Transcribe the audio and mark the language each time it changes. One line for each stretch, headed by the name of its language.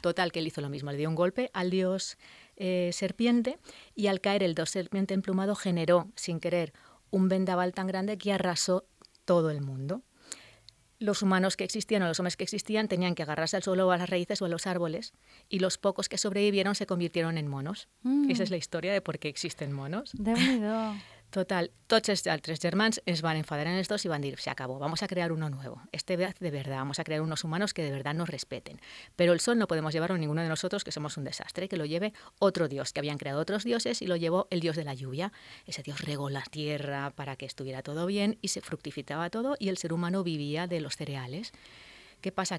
Spanish: Total, que él hizo lo mismo, le dio un golpe al dios serpiente, y al caer el dios serpiente emplumado generó, sin querer, un vendaval tan grande que arrasó todo el mundo. Los humanos que existían o los hombres que existían tenían que agarrarse al suelo o a las raíces o a los árboles, y los pocos que sobrevivieron se convirtieron en monos. Mm. Esa es la historia de por qué existen monos.
Catalan: ¡Déu-n'hi-do! Total, tots els altres germans es van enfadar en els dos i van dir,
Spanish: se acabó, vamos a crear uno nuevo. Este vez de verdad, vamos a crear unos humanos que de verdad nos respeten. Pero el sol no podemos llevarlo a ninguno de nosotros, que somos un desastre, que lo lleve otro dios, que habían creado otros dioses, y lo llevó el dios de la lluvia. Ese dios regó la tierra para que estuviera todo bien y se fructificaba todo y el ser humano vivía de los cereales. ¿Qué pasa?